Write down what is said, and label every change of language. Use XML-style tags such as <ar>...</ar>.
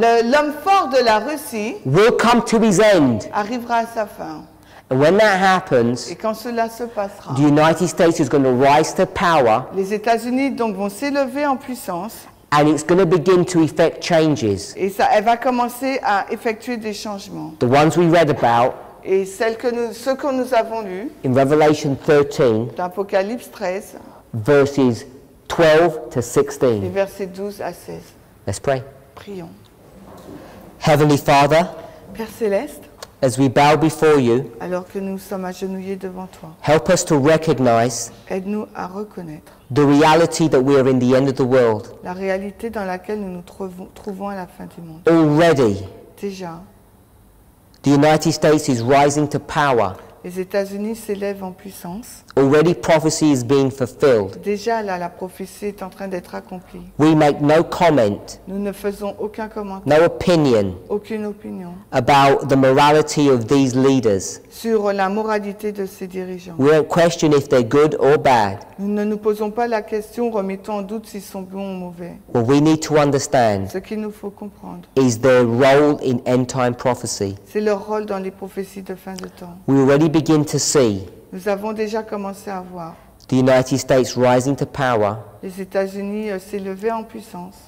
<fr>L'homme fort de la Russie</fr> <en>will come to his end.</en> <fr>Arrivera à sa fin.</fr> <en>And when that happens,</en> <fr>et quand cela se passera,</fr> <en>the United States is going to rise to power.</en> <fr>Les États-Unis donc vont s'élever en puissance.</fr> <en>And it's going to begin to effect changes.</en> <fr>Et ça, elle va commencer à effectuer des changements.</fr> <en>The ones we read about.</en> <fr>Et celles que nous, ce que nous avons lu.</fr> <en>In Revelation 13.</en> <fr>D'Apocalypse 13.</fr> <en>Verses 12 to 16.</en> <fr>Les versets 12 à 16.</fr> <en>Let's pray.</en> <fr>Prions.</fr> <en>Heavenly Father,</en> <fr>Père Céleste,</fr> <en>as we bow before you,</en> <fr>alors que nous sommes agenouillés devant toi,</fr> <en>help us to recognize,</en> <fr>aide-nous à reconnaître,</fr> <en>the reality that we are in the end of the world,</en> <fr>la réalité dans laquelle nous nous trouvons à la fin du monde.</fr> <en>Already,</en> <fr>déjà,</fr> <en>the United States is rising to power.</en> <fr>Les États-Unis s'élèvent en puissance.</fr> <en>Already prophecy is being fulfilled.</en> <fr>Déjà là, la prophétie est en train d'être accomplie.</fr> <en>We make no comment.</en> <fr>Nous ne faisons aucun commentaire.</fr> <en>No opinion.</en> <fr>Aucune opinion.</fr> <en>About the morality of these leaders.</en> <fr>Sur la moralité de ces dirigeants.</fr> <en>We don't question if they're good or bad.</en> <fr>Nous ne nous posons pas la question, remettons en doute s'ils sont bons ou mauvais.</fr> <en>What we need to understand.</en> <fr>Ce qu'il nous faut comprendre.</fr> <en>Is their role in end time prophecy.</en> <fr>C'est leur rôle dans les prophéties de fin de temps.</fr> <en>We already begin to see.</en> <fr>Nous avons déjà commencé à voir</fr> <en>the United States rising to power,</en> <fr>les États-Unis s'élever en puissance,</fr>